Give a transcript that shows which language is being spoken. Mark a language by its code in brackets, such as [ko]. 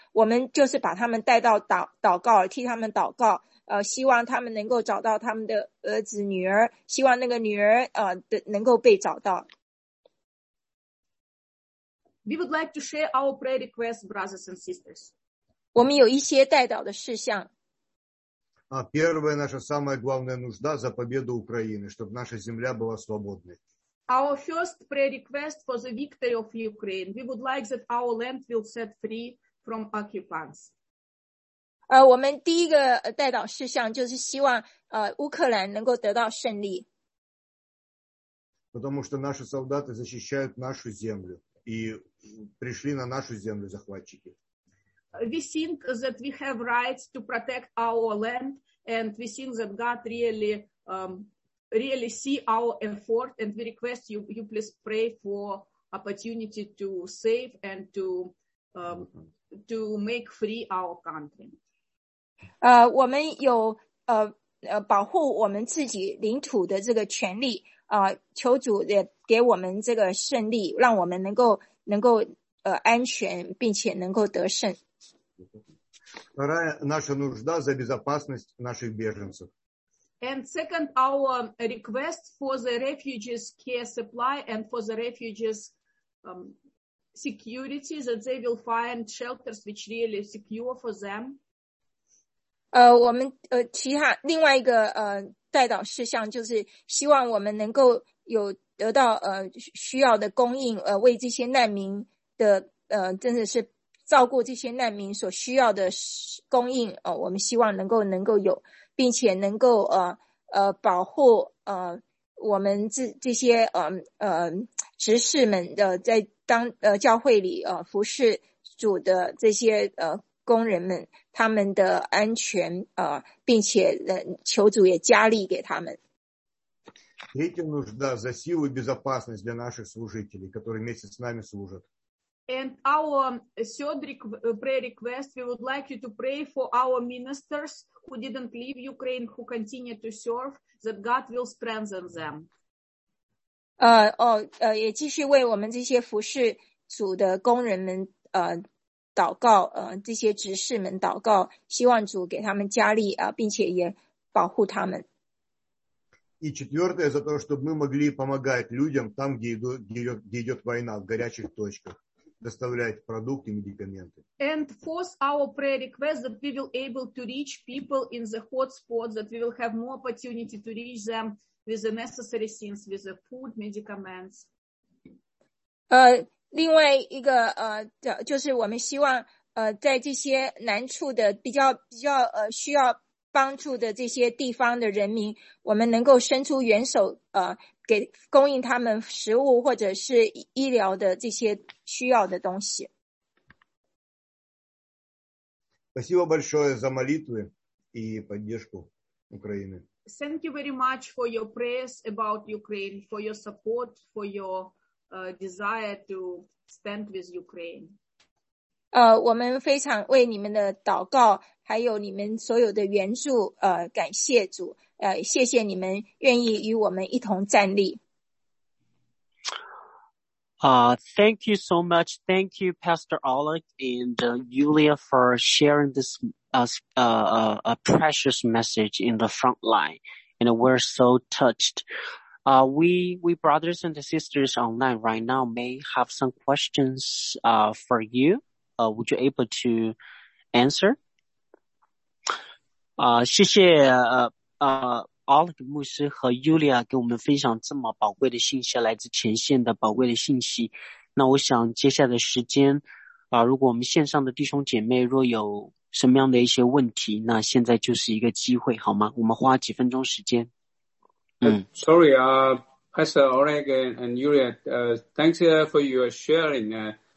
[zh] 我们就是把他们带到祷告，替他们祷告，希望他们能够找到他们的儿子女儿，希望那个女儿能够被找到。 [en] We would like to share our prayer requests, brothers and sisters. [zh] 我们有一些代祷的事项。 [ru] Первая наша самая главная нужда за победу Украины, чтобы наша земля была свободной. [en] Our first prayer request for the victory of Ukraine. We would like that our land will set free from occupants. [zh] 我们第一个代祷事项就是希望乌克兰能够得到胜利。 [ru] Потому что наши солдаты защищают нашу землю и пришли на нашу землю захватчики. [en] We think that we have rights to protect our land, and we think that God really. Really see our effort, and we request you please pray for opportunity to save and to make free our country. [zh] 我们有保护我们自己领土的这个权利求主也给我们这个胜利，让我们能够安全，并且能够得胜。 [ru] Вторая наша нужда за безопасность наших беженцев. [en] And second, our request for the refugees' care supply and for the refugees' security, that they will find shelters which really secure for them. [zh] 我们其他另外一个代祷事项就是希望我们能够有得到需要的供应为这些难民的真的是照顾这些难民所需要的供应我们希望能够有。并且能够保护我们这些执事们的在当教会里服侍主的这些工人们他们的安全并且求主也加力给他们。 [ru] Третья нужда за силу и безопасность для наших служителей, которые вместе с нами служат. [en] And our third prayer request, we would like you to pray for our ministers who didn't leave Ukraine, who continue to serve, that God will strengthen them. [zh] 也继续为我们这些服侍主的工人们祷告这些执事们祷告，希望主给他们加力并且也保护他们。 [ru] И четвертое за то, чтобы мы могли помогать людям там, где идет война в горячих точках. Доставлять продукты, медикаменты. [en] And fourth, our prayer request that we will able to reach people in the hot spots, that we will have more opportunity to reach them with the necessary things, with the food, medicaments. [zh] 另外一个就是我们希望在这些难处的比较需要帮助的这些地方的人民，我们能够伸出援手给供应他们食物或者是医疗的这些需要的东西。 [ru] Спасибо большое за молитвы и поддержку Украины. [en] Thank you very much for your prayers about Ukraine, for your support, for your desire to stand with Ukraine. [zh] 我们非常为你们的祷告，还有你们所有的援助，感谢主，谢谢你们愿意与我们一同站立。 [en] Thank you so much. Thank you, Pastor Oleg and Yulia, for sharing this a precious message in the front line. And we're so touched. We brothers and sisters online right now may have some questions for you. Would you able to answer? [zh] 谢谢Oleg 牧师和 Yulia 给我们分享这么宝贵的信息，来自前线的宝贵的信息。那我想接下来的时间如果我们线上的弟兄姐妹若有什么样的一些问题，那现在就是一个机会好吗？我们花几分钟时间。 [en] Sorry, Pastor Oleg and Yulia, thanks for your sharing.